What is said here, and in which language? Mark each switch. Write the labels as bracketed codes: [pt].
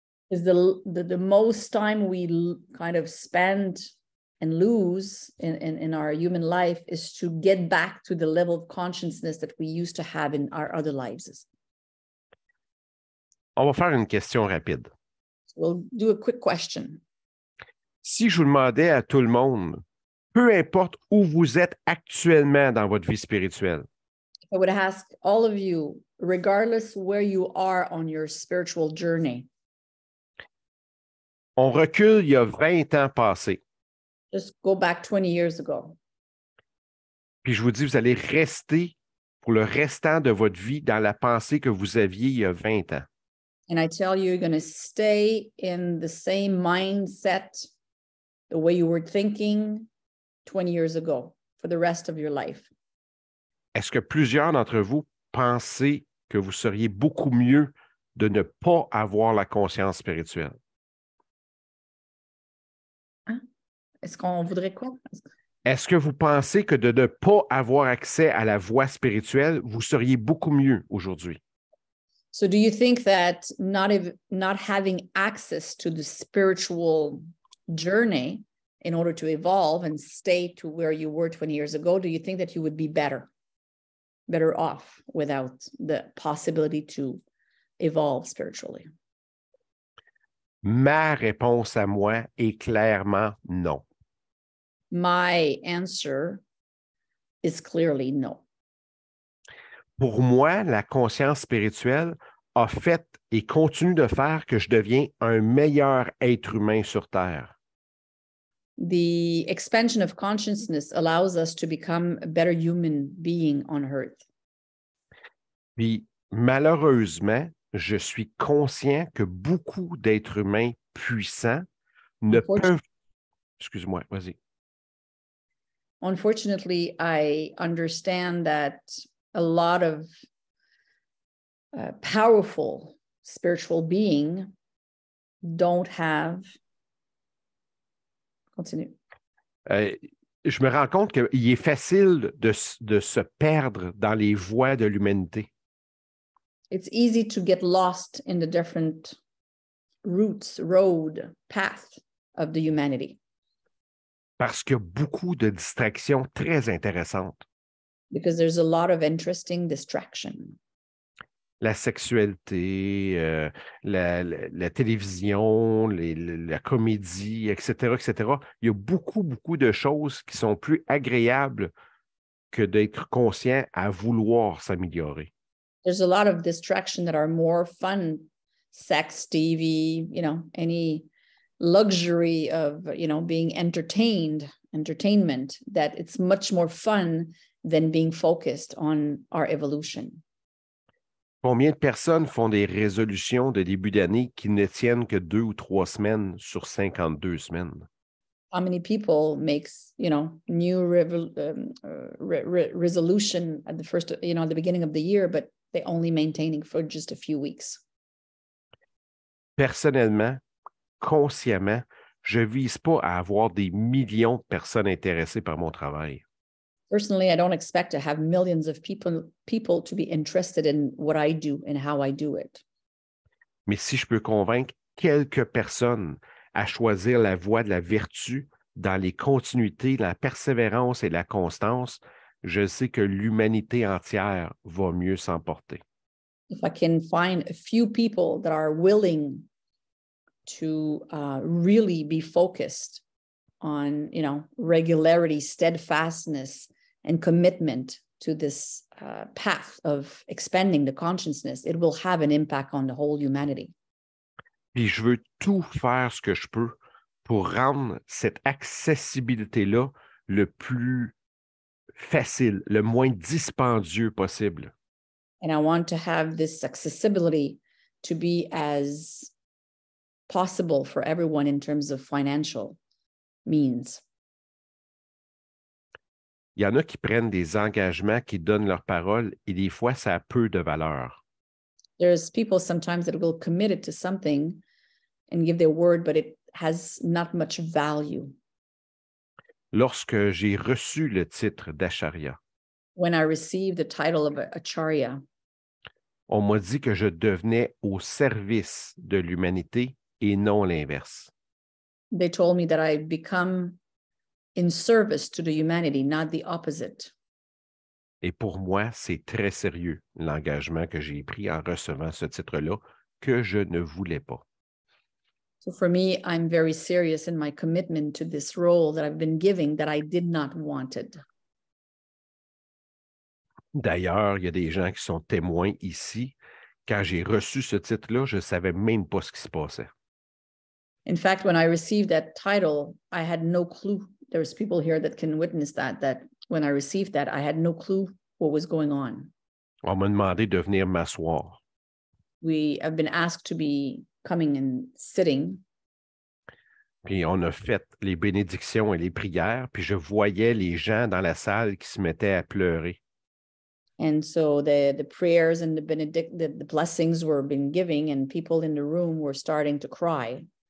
[en] Is the most time we kind of spend and lose in our human life is to get back to the level of consciousness that we used to have in our other lives. [fr] On va faire une question rapide. [en] We'll do a quick question. [fr] Si je vous demandais à tout le monde, peu importe où vous êtes actuellement dans votre vie spirituelle. [en] I would ask all of you, regardless where you are on your spiritual journey. [fr] On recule il y a 20 ans passés. [en] Just go back 20 years ago. [fr] Puis je vous dis, vous allez rester pour le restant de votre vie dans la pensée que vous aviez il y a 20 ans. [en] And I tell you, you're going to stay in the same mindset, the way you were thinking 20 years ago, for the rest of your life. [fr] Est-ce que plusieurs d'entre vous pensez que vous seriez beaucoup mieux de ne pas avoir la conscience spirituelle? Hein? Est-ce qu'on voudrait quoi? Est-ce que vous pensez que de ne pas avoir accès à la voie spirituelle, vous seriez beaucoup mieux aujourd'hui? [en] So do you think that not having access to the spiritual journey in order to evolve and stay to where you were 20 years ago, do you think that you would be better off without the possibility to evolve spiritually? [fr] Ma réponse à moi est clairement non. [en] My answer is clearly no. [fr] Pour moi, la conscience spirituelle a fait et continue de faire que je deviens un meilleur être humain sur Terre. [en] The expansion of consciousness allows us to become a better human being on Earth. [fr] Puis, malheureusement, je suis conscient que beaucoup d'êtres humains puissants ne peuvent... Excuse-moi, vas-y. [en] Unfortunately, I understand that a lot of powerful spiritual being don't have. Continue. [fr] Je me rends compte qu'il est facile de se perdre dans les voies de l'humanité. [en] It's easy to get lost in the different routes, road, path of the humanity. [fr] Parce qu'il y a beaucoup de distractions très intéressantes. [en] Because there's a lot of interesting distractions. [fr] La sexualité, la télévision, la comédie, etc., etc. Il y a beaucoup, beaucoup de choses qui sont plus agréables que d'être conscient à vouloir s'améliorer. [en] There's a lot of distractions that are more fun. Sex, TV, you know, any luxury of, you know, being entertained, entertainment, that it's much more fun than being focused on our evolution. [fr] Combien de personnes font des résolutions de début d'année qui ne tiennent que 2 ou 3 semaines sur 52 semaines? [en] How many people makes, you know, new resolution at the first, you know, at the beginning of the year, but they only maintaining for just a few weeks? [fr] personnellement, consciemment, je ne vise pas à avoir des millions de personnes intéressées par mon travail. [en] Personally, I don't expect to have millions of people to be interested in what I do and how I do it. [fr] Mais si je peux convaincre quelques personnes à choisir la voie de la vertu dans les continuités, la persévérance et la constance, je sais que l'humanité entière va mieux s'emporter. [en] If I can find a few people that are willing to really be focused on, you know, regularity, steadfastness, and commitment to this path of expanding the consciousness, it will have an impact on the whole humanity. [fr] Puis je veux tout faire ce que je peux pour rendre cette accessibilité-là le plus facile, le moins dispendieux possible. [en] And I want to have this accessibility to be as possible for everyone in terms of financial means. [fr] Il y en a qui prennent des engagements, qui donnent leur parole, et des fois, ça a peu de valeur. [en] There's people sometimes that will commit it to something and give their word, but it has not much value. [fr] Lorsque j'ai reçu le titre d'Acharya, [en] when I received the title of Acharya, [fr] on m'a dit que je devenais au service de l'humanité et non l'inverse. [en] They told me that I become in service to the humanity, not the opposite. [fr] Et pour moi, c'est très sérieux l'engagement que j'ai pris en recevant ce titre-là que je ne voulais pas. [en] So for me, I'm very serious in my commitment to this role that I've been giving that I did not want it. [fr] D'ailleurs, il y a des gens qui sont témoins ici. Quand j'ai reçu ce titre-là, je ne savais même pas ce qui se passait. [en] In fact, when I received that title, I had no clue. There's people here that can witness that, that when I received that, I had no clue what was going on. [fr] On m'a demandé de venir m'asseoir. [en] We have been asked to be coming and sitting. [fr] Puis on a fait les bénédictions et les prières, puis je voyais les gens dans la salle qui se mettaient à pleurer. [en] And so the prayers and the blessings were being given and people in the room were starting to cry.